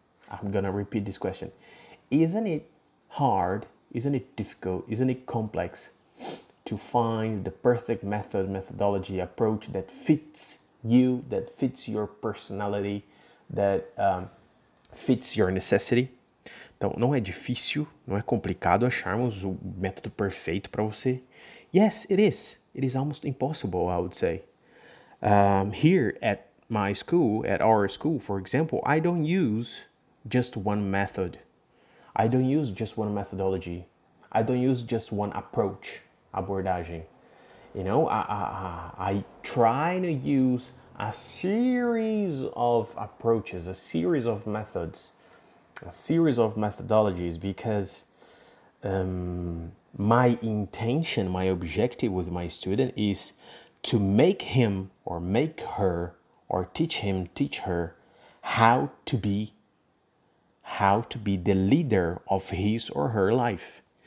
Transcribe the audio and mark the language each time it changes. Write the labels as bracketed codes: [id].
[en] I'm gonna repeat this question. Isn't it hard? Isn't it difficult? Isn't it complex to find the perfect method, methodology, approach that fits you, that fits your personality, that fits your necessity? [pt] Então, não é difícil, não é complicado acharmos o método perfeito para você? [en] Yes, it is. It is almost impossible, I would say. Here at my school, at our school, for example, I don't use just one method. I don't use just one methodology. I don't use just one approach, abordagem. You know, I try to use a series of approaches, a series of methods, a series of methodologies, because my intention, my objective with my student is to make him or make her or teach her how to be the leader of his or her life.